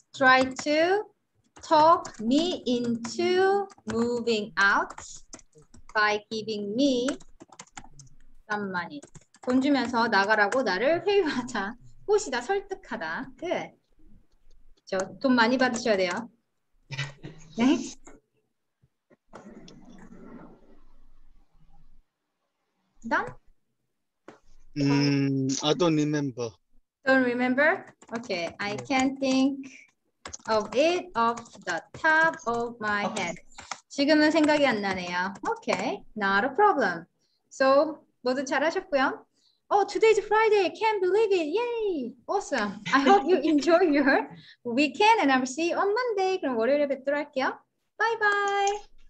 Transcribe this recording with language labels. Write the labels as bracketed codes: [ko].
[en] Try to talk me into moving out by giving me some money. [ko] 돈 주면서 나가라고 나를 회유하다, 꼬시다, 설득하다. 그, 저 돈 많이 받으셔야 돼요. 네. [en] Done? I don't remember. Don't remember? Okay, I can't think of it off the top of my head. [ko] 지금은 생각이 안 나네요. [en] Okay, not a problem. So. [ko] 모두 잘하셨고요. [en] Oh, today's Friday. Can't believe it. Yay! Awesome. I hope you enjoy your weekend and I'll see you on Monday. [ko] 그럼 월요일에 뵙도록 할게요. [en] Bye-bye.